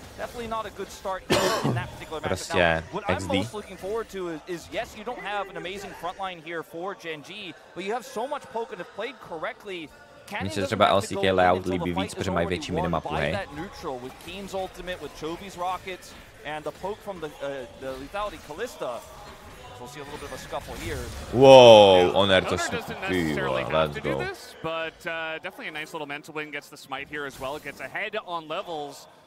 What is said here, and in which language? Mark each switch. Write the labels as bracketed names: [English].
[English] Definitely not a good start in that particular matchup. What I'm most looking forward to is yes, you don't have an amazing front line here for Gen G, but you have so much poke and have played correctly. [Czech] Mně se třeba LCK layout líbí víc, protože mají větší minimapu, hej. [English] With Keen's ultimate, with Chovy's rockets, and the poke from the lethality Kalista. So we'll see a little bit of a scuffle here. Whoa, on air to stupy, let's go. But definitely a nice little mental win, gets the smite here as well, gets ahead on levels.